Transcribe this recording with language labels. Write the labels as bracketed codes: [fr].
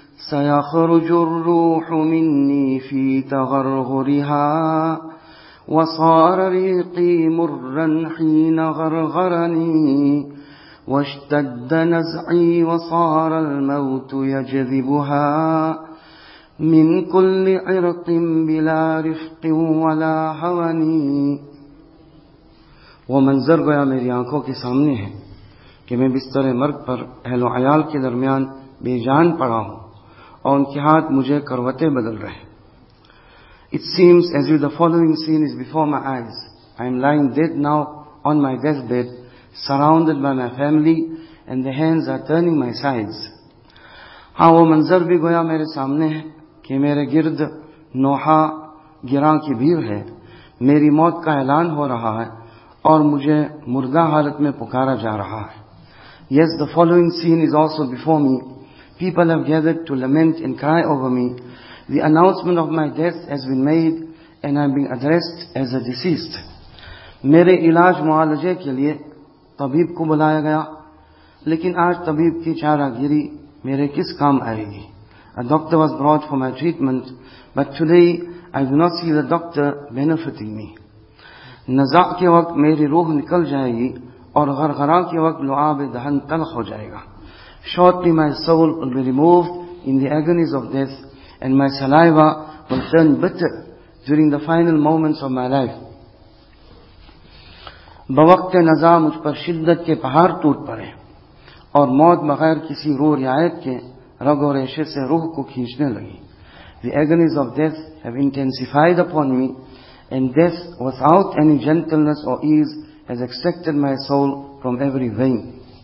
[ar] سيخرج الروح مني في تغرغرها وصار ريقي مرا حين غرغرني واشتد نزعي وصار الموت يجذبها من كل عرق بلا رفق ولا هوني. [ur] وہ منظر گویا میری آنکھوں کے سامنے ہے کہ میں بستر مرگ پر اہل و عیال کے درمیان بے جان پڑا ہوں اور ان کے ہاتھ مجھے کروتے بدل رہے ہیں. [en] It seems as if the following scene is before my eyes. I am lying dead now on my deathbed, surrounded by my family, and the hands are turning my sides. [ur] ہاں وہ منظر بھی گویا میرے سامنے ہے کہ میرے گرد نوحا گراں کی بھیڑ ہے, میری موت کا اعلان ہو رہا ہے اور مجھے مردہ حالت میں پکارا جا رہا ہے. [en] Yes, the following scene is also before me. People have gathered to lament and cry over me. The announcement of my death has been made and I am being addressed as a deceased. [ur] میرے علاج معالجے کے لیے طبیب کو بلایا گیا, لیکن آج طبیب کی چارہ گیری میرے کس کام آئے گی. [en] A doctor was brought for my treatment, but today I do not see the doctor benefiting me. [ur] نزع کے وقت میری روح نکل جائے گی اور غرغرا کے وقت لعاب دہن تلخ ہو جائے گا. [en] Shortly my soul will be removed in the agonies of death and my saliva will turn bitter during the final moments of my life. [ur] بوقت نزع مجھ پر شدت کے پہاڑ ٹوٹ پڑے اور موت بغیر کسی روح رعایت کے رگ و ریشے سے روح کو کھینچنے لگی. [en] The agonies of death have intensified upon me and death without any gentleness or ease has extracted my soul from every vein.